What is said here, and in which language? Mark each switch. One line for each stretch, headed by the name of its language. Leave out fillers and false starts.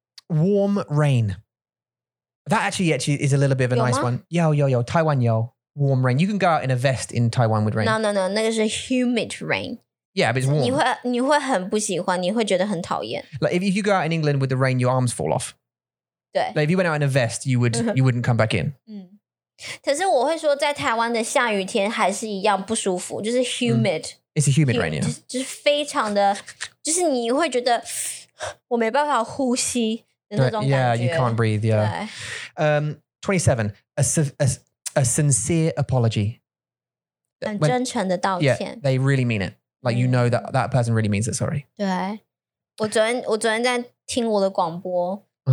English: Warm rain. That actually is a little bit of a nice one. Yo, Taiwan yo. Warm rain. You can go out in a vest in Taiwan with rain. No. That is a humid rain. Yeah, but it's warm.
Chinese: 你会很不喜欢,你会觉得很讨厌。
English: Like if you go out in England with the rain, your arms fall off.
Chinese: 对。
English: Like if you went out in a vest, you wouldn't come back in.
Chinese: 可是我会说在台湾的下雨天还是一样不舒服,就是 humid.
English: It's a humid rain, yeah.
Chinese: 就是非常的,就是你会觉得我没办法呼吸的那种感觉。
English: Yeah, you can't breathe, yeah. 27, a sincere apology.
Chinese: 很真诚的道歉。
English: Yeah, they really mean it. Like you know that person really means it, sorry.
Chinese: 对,我昨天在听我的广播。